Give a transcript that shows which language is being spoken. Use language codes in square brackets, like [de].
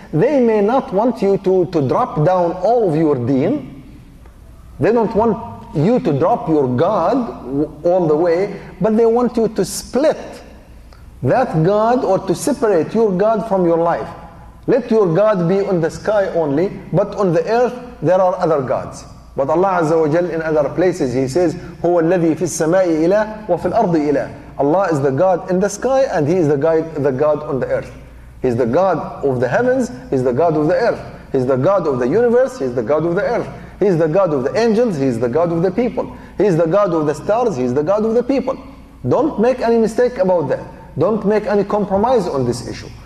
[en] They may not want you to drop down all of your deen. They don't want you to drop your God all the way, but they want you to split that God, or to separate your God from your life. Let your God be on the sky only, but on the earth there are other gods. But Allah Azza wa Jal in other places, He says, [ar] هو الذي في السماء إله وفي الأرض إله. [en] Allah is the God in the sky, and He is the God on the earth. He is the God of the heavens, He is the God of the earth. He is the God of the universe, He is the God of the earth. He is the God of the angels, He is the God of the people. He is the God of the stars, He is the God of the people. Don't make any mistake about that. Don't make any compromise on this issue.